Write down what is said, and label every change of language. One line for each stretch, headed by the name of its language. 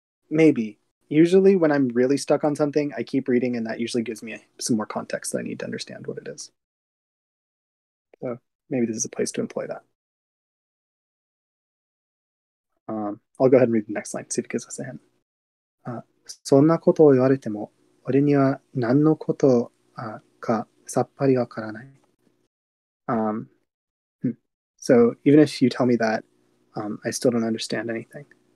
English: Maybe. Usually when I'm really stuck on something, I keep reading and that usually gives me some more context that I need to understand what it is. So maybe this is a place to employ that. I'll go ahead and read the next line, see if it gives us a hint.
Japanese: そんなことを言われても、俺には何のことかさっぱりわからない。
English: So even if you tell me that, I still don't understand anything.